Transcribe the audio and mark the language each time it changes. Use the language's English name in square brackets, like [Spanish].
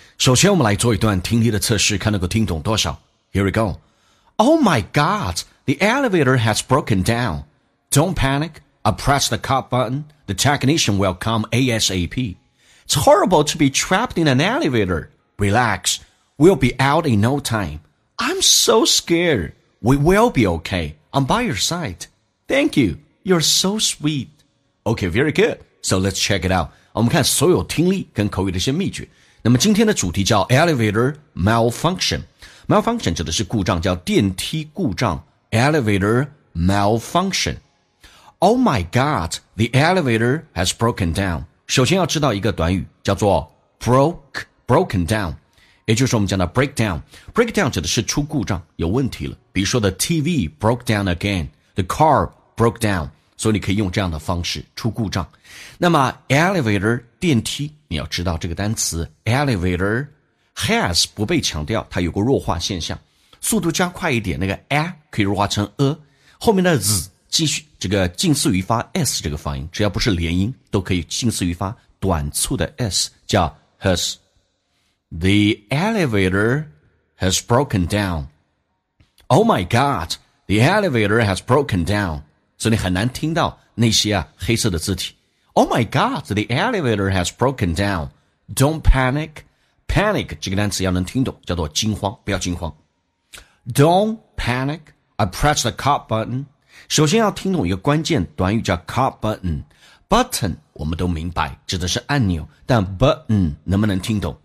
[Chinese] 首先，我们来做一段听力的测试，看能够听懂多少。 [English] Here we go. Oh my God, the elevator has broken down. Don't panic. I press the cut button. The technician will come ASAP. It's horrible to be trapped in an elevator. Relax. We'll be out in no time. I'm so scared. We will be okay. I'm by your side. Thank you. You're so sweet. Okay, very good. So let's check it out. [Chinese] 我们看所有听力跟口语的一些秘诀。那么今天的主题叫 Elevator Malfunction。Malfunction 指的是故障，叫电梯故障。 [English] Elevator Malfunction。 Oh my God, the elevator has broken down. [Chinese] 首先要知道一个短语叫做 broken down。也就是我们讲的 breakdown。Breakdown 指的是出故障，有问题了。比如说 [English] the TV broke down again, the car broke down. [Chinese] 所以你可以用这样的方式出故障。那么 elevator 电梯，你要知道这个单词 elevator has 不被强调，它有个弱化现象，速度加快一点，那个 a 可以弱化成 a， 后面的 z 继续这个近似于发 s 这个发音，只要不是连音都可以近似于发短促的 s， 叫 has。 [English] The elevator has broken down. Oh my God, the elevator has broken down. [Chinese] 所以你很难听到那些啊黑色的字体。 [English] Oh my God, the elevator has broken down. Don't panic. [Chinese] Panic 这个单词要能听懂，叫做惊慌，不要惊慌。 [English] Don't panic. I press the cut button. [Chinese] 首先要听懂一个关键短语叫 [English] cut button. [Chinese] Button 我们都明白，指的是按钮，但 button 能不能听懂？